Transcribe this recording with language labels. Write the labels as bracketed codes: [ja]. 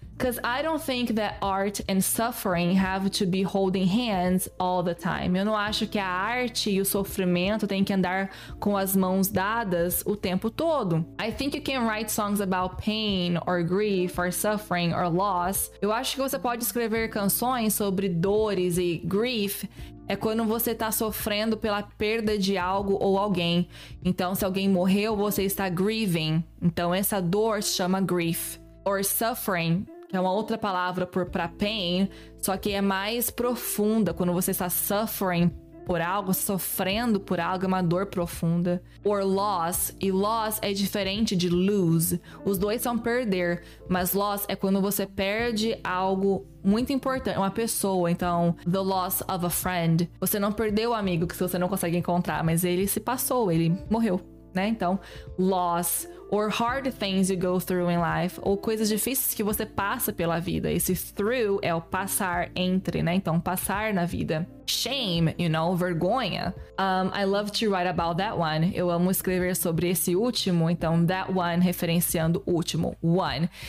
[en] Because I don't think that art and suffering have to be holding hands all the time. [pt] Eu não acho que a arte e o sofrimento têm que andar com as mãos dadas o tempo todo. [en] I think you can write songs about pain or grief or suffering or loss. [pt] Eu acho que você pode escrever canções sobre dores e grief. É quando você está sofrendo pela perda de algo ou alguém. Então, se alguém morreu, você está grieving. Então, essa dor se chama grief. [en] Or suffering. [pt] É uma outra palavra para pain, só que é mais profunda. Quando você está suffering por algo, sofrendo por algo, é uma dor profunda. [en] Or loss. [pt] E loss é diferente de lose. Os dois são perder, mas loss é quando você perde algo muito importante, uma pessoa. Então, [en] the loss of a friend. [pt] Você não perdeu o amigo que você não consegue encontrar, mas ele se passou, ele morreu, né? Então, loss. [en] Or hard things you go through in life. [pt] Ou coisas difíceis que você passa pela vida. Esse through é o passar entre, né? Então, passar na vida. [en] Shame, you know, [pt] vergonha. [en] I love to write about that one. [pt] Eu amo escrever sobre esse último. Então, that one referenciando o último. One.